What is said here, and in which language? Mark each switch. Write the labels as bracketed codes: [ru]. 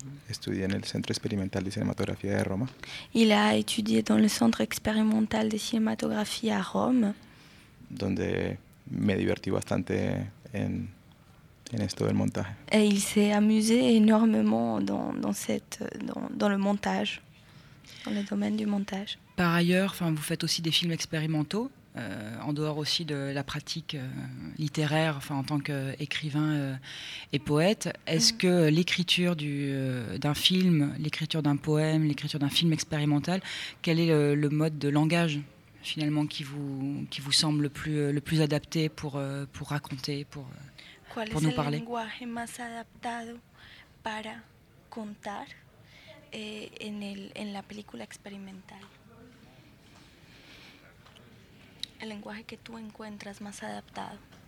[es] Estudié en el Centro Experimental de Cinematografía de Roma. [fr] Il a étudié dans le Centre Expérimental de Cinématographie à Rome. [es] Donde me divertí bastante en esto del montaje. [fr] Et il s'est amusé énormément dans le montage, dans le domaine du montage. Par ailleurs, vous faites aussi des films expérimentaux, en dehors aussi de la pratique littéraire, en tant qu'écrivain et poète. Est-ce que l'écriture d'un film, l'écriture d'un poème, l'écriture d'un film expérimental, quel est le mode de langage finalement qui vous semble le plus adapté pour raconter, [es] ¿Cuál es el lenguaje más adaptado para contar en la película experimental? ¿El lenguaje que tú encuentras más adaptado?